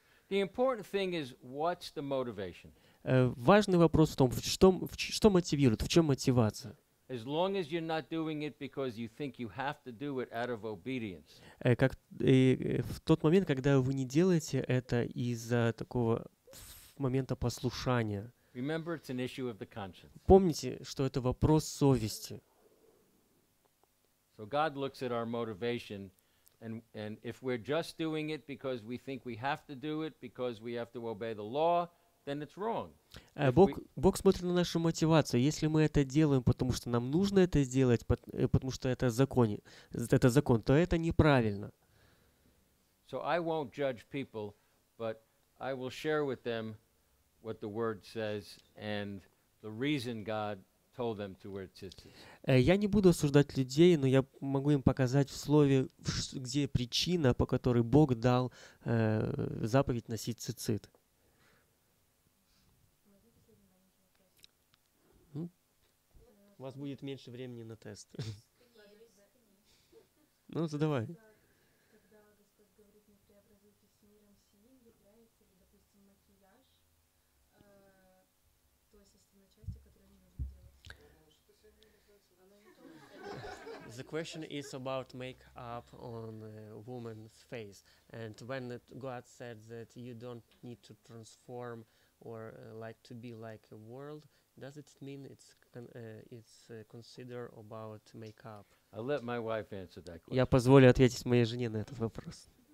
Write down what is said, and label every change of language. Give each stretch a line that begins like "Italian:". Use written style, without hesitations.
English: The important thing is what's the motivation.
Russian: Важный вопрос в том, что мотивирует, в чем мотивация.
English: As long as you're not doing it because you think you have to do it out of obedience.
Russian: В тот момент, когда вы не делаете это из-за такого момента послушания.
English: Remember, it's an issue of the conscience.
Russian: Помните, что это вопрос совести.
English: So God looks at our motivation And if we're just doing it because we think we have to do it, because we have to obey the law, then it's wrong.
Russian: Бог смотрит на нашу мотивацию. Если мы это делаем, потому что нам нужно это сделать, потому что это закон, то это неправильно.
English: So I won't judge people, but I will share with them what the word says and the reason God told them to where it is.
Russian: Я не буду осуждать людей, но я могу им показать в слове, где причина, по которой Бог дал заповедь носить цицит. У вас будет меньше времени на тест. Ну, задавай.
English: The question is about makeup on a woman's face, and when God said that you don't need to transform or like to be like a world, does it mean it's considered about makeup? I'll let my wife answer that question.
Russian: Я позволю ответить моей жене на этот вопрос.